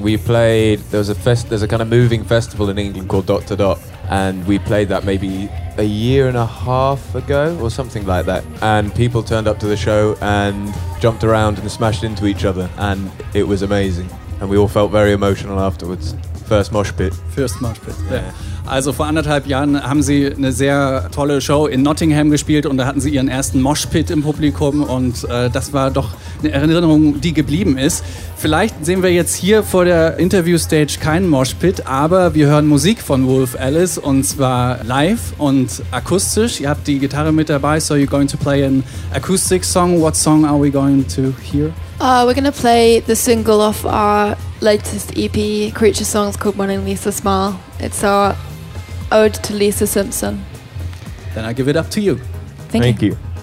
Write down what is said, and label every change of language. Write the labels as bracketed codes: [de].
[en] We played, there's a kind of moving festival in England called Dot to Dot, and we played that maybe a year and a half ago or something like that, and people turned up to the show and jumped around and smashed into each other, and it was amazing, and we all felt very emotional afterwards. First Mosh Pit. Yeah. [de] Also vor anderthalb Jahren haben sie eine sehr tolle Show in Nottingham gespielt und da hatten sie ihren ersten Mosh Pit im Publikum und das war doch eine Erinnerung, die geblieben ist. Vielleicht sehen wir jetzt hier vor der Interviewstage keinen Mosh Pit, aber wir hören Musik von Wolf Alice und zwar live und akustisch. Ihr habt die Gitarre mit dabei, [en] so you're going to play an acoustic song. What song are we going to hear? We're going to play the single off our latest EP, Creature Songs, called Morning Lisa Smile. It's our ode to Lisa Simpson. Then I give it up to you. Thank you.